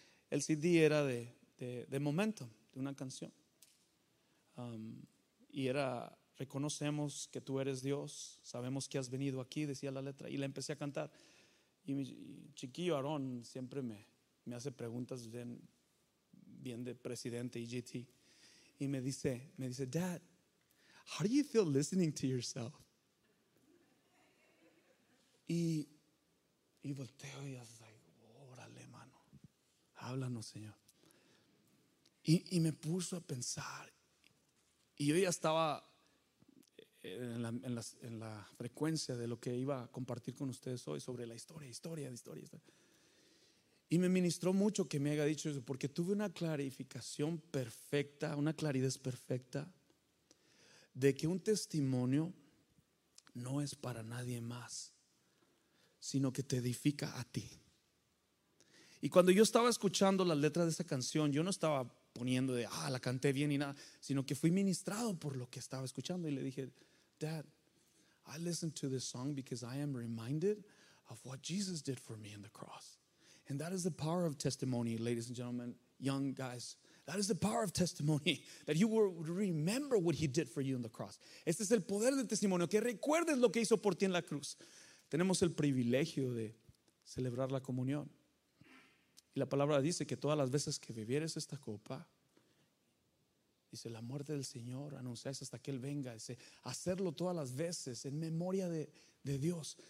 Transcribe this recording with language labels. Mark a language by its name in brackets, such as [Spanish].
[Spanish] El CD era de Momentum, de una canción. Y era, reconocemos que tú eres Dios, sabemos que has venido aquí, decía la letra. Y la empecé a cantar. Y mi chiquillo Aarón siempre me hace preguntas bien de presidente y GT. Y me dice, [English] Dad, how do you feel listening to yourself? [Spanish] Y volteo y es like, órale, mano, háblanos, Señor. Y me puso a pensar. Y yo ya estaba en la frecuencia de lo que iba a compartir con ustedes hoy sobre la historia. Y me ministró mucho que me haya dicho eso, porque tuve una clarificación perfecta, una claridad perfecta de que un testimonio no es para nadie más, sino que te edifica a ti. Y cuando yo estaba escuchando la letra de esa canción, yo no estaba poniendo de la canté bien y nada, sino que fui ministrado por lo que estaba escuchando. Y le dije, [English] Dad, I listen to this song because I am reminded of what Jesus did for me on the cross. And that is the power of testimony, ladies and gentlemen, young guys. That is the power of testimony, that you will remember what he did for you on the cross. [Spanish] Este es el poder del testimonio, que recuerdes lo que hizo por ti en la cruz. Tenemos el privilegio de celebrar la comunión. Y la palabra dice que todas las veces que bebieres esta copa, dice, la muerte del Señor, anunciáis hasta que Él venga. Dice, hacerlo todas las veces en memoria de Dios.